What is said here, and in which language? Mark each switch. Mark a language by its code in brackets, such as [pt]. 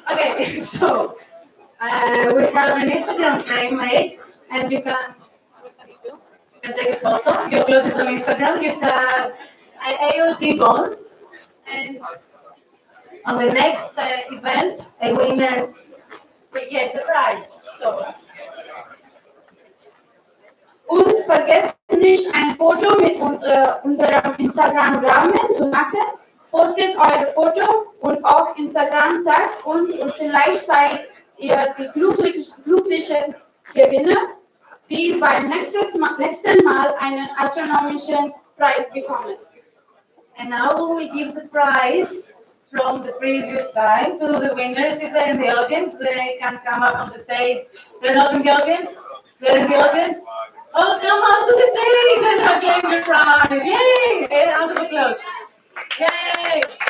[en] Okay, so we have an Instagram frame made, and you can take a photo, you upload it on Instagram. You have an AOT bond, and on the next event, a winner will get the prize. So. [de] Und vergesst nicht, ein Foto mit unserem Instagram-Rahmen zu machen. Postet euer Foto und auf Instagram tagt uns und vielleicht seid ihr die glücklichen Gewinner, die beim nächsten Mal einen astronomischen Preis bekommen. [en] And now we will give the prize from the previous time to the winners. If they're in the audience, they can come up on the stage. They're not in the audience? They're in the audience? Oh, come on to the stage and I'll give you a prize. Yay! And round of applause. Yay!